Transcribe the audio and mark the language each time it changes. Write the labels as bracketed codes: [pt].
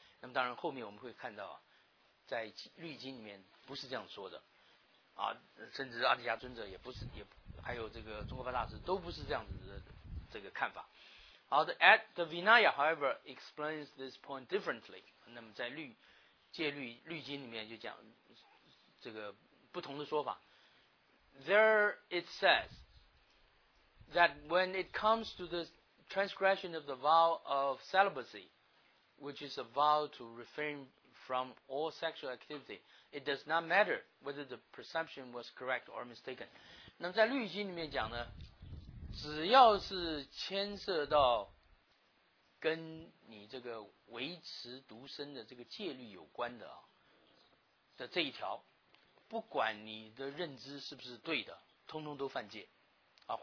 [zh] 那么当然后面我们会看到啊，在律经里面不是这样说的啊，甚至阿底峡尊者也不是，也还有这个中国发大师都不是这样子的这个看法。 [en] 好的， the Vinaya however explains this point differently。 [zh] 那么在戒律经里面就讲这个不同的说法。 [en] There it says that when it comes to the transgression of the vow of celibacy, which is a vow to refrain from all sexual activity, it does not matter whether the perception was correct or mistaken。 [zh] 那么在律经里面讲呢，只要是牵涉到跟你这个维持独身的这个戒律有关的啊的这一条，不管你的认知是不是对的，通通都犯戒啊。